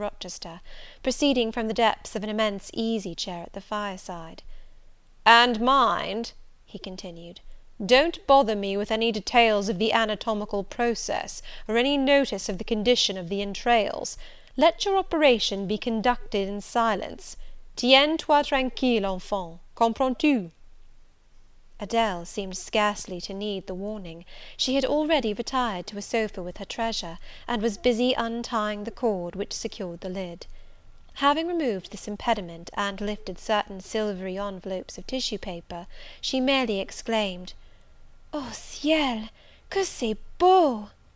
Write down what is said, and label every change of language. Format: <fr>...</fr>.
<en>Rochester, proceeding from the depths of an immense easy-chair at the fireside. "And mind," he continued, "don't bother me with any details of the anatomical process, or any notice of the condition of the entrails. Let your operation be conducted in silence.</en> <fr>Tiens-toi tranquille, enfant, comprends-tu?"</fr> <en>Adele seemed scarcely to need the warning. She had already retired to a sofa with her treasure, and was busy untying the cord which secured the lid. Having removed this impediment, and lifted certain silvery envelopes of tissue-paper, she merely exclaimed,</en> <fr>"Oh, ciel, que c'est beau!"</fr>